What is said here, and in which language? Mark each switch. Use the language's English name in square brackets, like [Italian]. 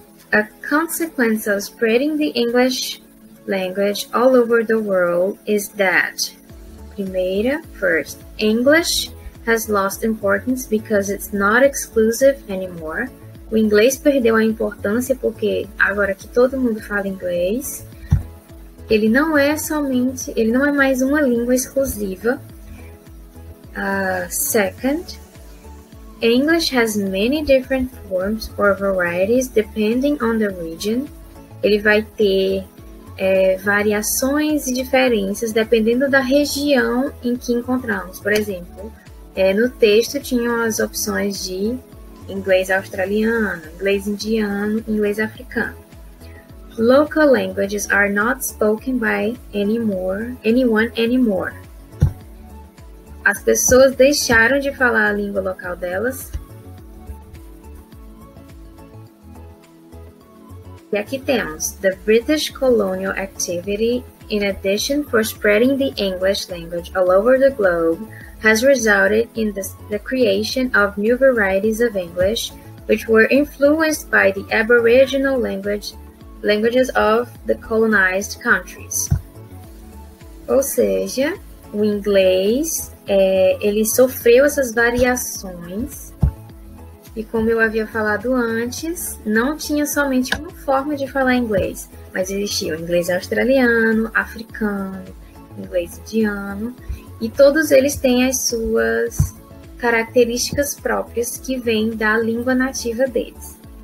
[English] A consequence of spreading the English language all over the world is that... Primeira, first, English has lost importance because it's not exclusive anymore. [Portuguese] O inglês perdeu a importância porque agora que todo mundo fala inglês, ele não é somente, ele não é mais uma língua exclusiva. [English] Second, English has many different forms or varieties depending on the region. [Portuguese] Ele vai ter variações e diferenças dependendo da região em que encontramos. Por exemplo, no texto tinham as opções de inglês australiano, inglês indiano, inglês africano. [English] Local languages are not spoken by anyone anymore. [Portuguese] As pessoas deixaram de falar a língua local delas. E aqui temos, [English] the British colonial activity, in addition for spreading the English language all over the globe, has resulted in the creation of new varieties of English, which were influenced by the aboriginal languages of the colonized countries. [Portuguese] Ou seja, o inglês, ele sofreu essas variações. E como eu havia falado antes, não tinha somente uma forma de falar inglês, mas existia o inglês australiano, africano, inglês indiano, e todos eles têm as suas características próprias que vêm da língua nativa deles.